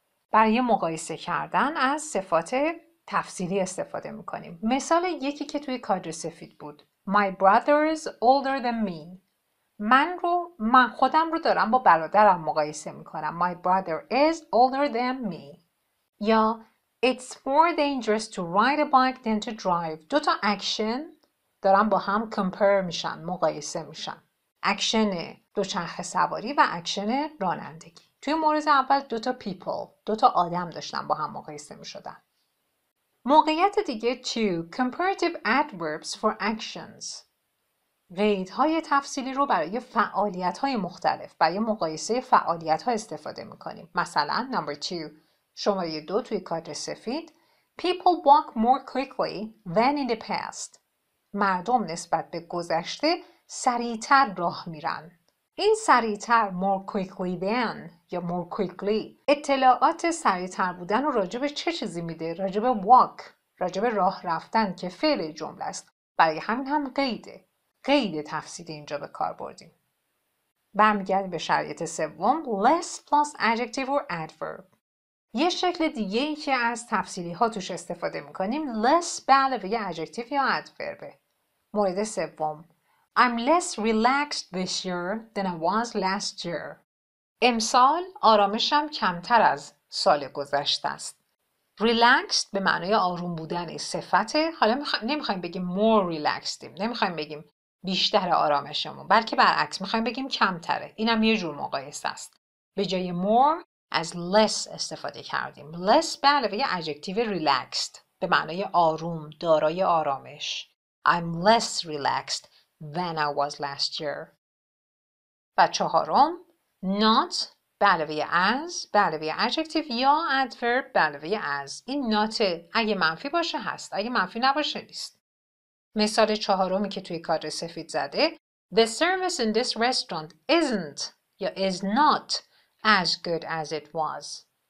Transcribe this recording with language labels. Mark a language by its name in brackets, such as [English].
[Persian] برای مقایسه کردن از صفات تفصیلی استفاده میکنیم. مثال یکی که توی کادر سفید بود. [English] My brother is older than me. [Persian] من خودم رو دارم با برادرم مقایسه میکنم. [English] My brother is older than me. یا It's more dangerous to ride a bike than to drive. [Persian] دوتا اکشن دارن با هم کمپر میشن، مقایسه میشن. اکشن دوچرخه سواری و اکشن رانندگی. توی مورد اول دوتا people، دوتا آدم داشتن با هم مقایسه میشدن. موقعیت دیگه [English] 2. Comparative adverbs for actions. [Persian] قیدهای تفصیلی رو برای فعالیت‌های مختلف، برای مقایسه فعالیت‌ها استفاده میکنیم. مثلا [English] number 2. [Persian] شماره 2 توی کادر سفید. [English] People walk more quickly than in the past. [Persian] مردم نسبت به گذشته سریع‌تر راه میرن. این سریع‌تر [English] more quickly than [Persian] یا more quickly اطلاعات سریع‌تر بودن و راجب چه چیزی میده؟ راجب walk، راجب راه رفتن که فعل جمله است. برای همین هم قیده. قید تفصیلی اینجا به کار بردیم. برمیگردیم به شرایط سوم. [English] Less plus adjective or adverb. [Persian] یه شکل دیگه ای که از تفصیلی ها توش استفاده میکنیم less به علاوه یه ادجکتیو یا ادوربه. مورد سوم. [English] I'm less relaxed this year than I was last year. [Persian] امسال آرامشم کمتر از سال گذشته است. Relaxed به معنای آروم بودن صفته. حالا نمیخوایم بگیم more relaxedیم. نمیخوایم بگیم بیشتر آرامشمون. بلکه برعکس میخوایم بگیم کمتره. اینم یه جور مقایسه است. به جای more از less استفاده کردیم. Less به علاوه یه ادجکتیو relaxed به معنای آروم، دارای آرامش. [English] I'm less relaxed than I was last year. [Persian] و چهارم، not به علاوه as به علاوه ادجکتیو یا adverb به علاوه as. این not اگه منفی باشه هست، اگه منفی نباشه نیست. مثال چهارمی که توی کادر سفید زده، [English] The service in this restaurant isn't یا is not as good as it was.